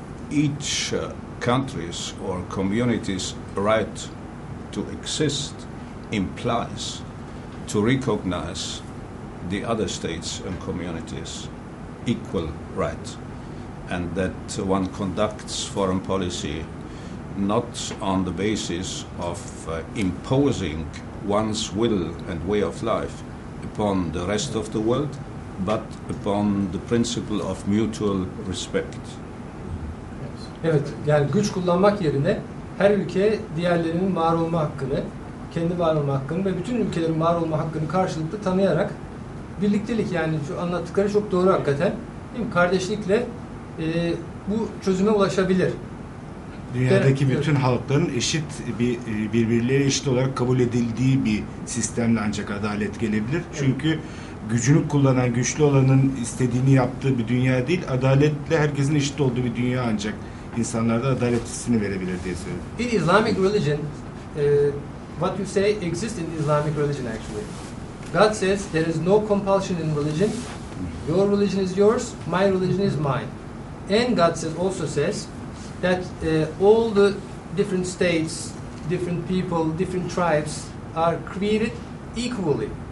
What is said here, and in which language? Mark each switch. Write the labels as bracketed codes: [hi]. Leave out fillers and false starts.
[en] each country's or community's right to exist implies to recognize the other states and communities equal right, and that one conducts foreign policy not on the basis of imposing one's will and way of life upon the rest of the world, but upon the principle of mutual respect. [tr] Evet, yani güç kullanmak yerine her ülke diğerlerinin var olma hakkını, kendi var olma hakkını ve bütün ülkelerin var olma hakkını karşılıklı tanıyarak birliktelik, yani şu anlattıkları çok doğru hakikaten, değil mi? Kardeşlikle bu çözüme ulaşabilir. Dünyadaki bütün halkların eşit, birbirleriyle eşit olarak kabul edildiği bir sistemle ancak adalet gelebilir. Çünkü gücünü kullanan, güçlü olanın istediğini yaptığı bir dünya değil, adaletle herkesin eşit olduğu bir dünya ancak insanlarda adalet hissini verebilir diye söylüyorum. [en] In Islamic religion, what you say exists in Islamic religion actually. God says there is no compulsion in religion. Your religion is yours, my religion is mine. And God says, also says that all the different states, different people, different tribes are created equally.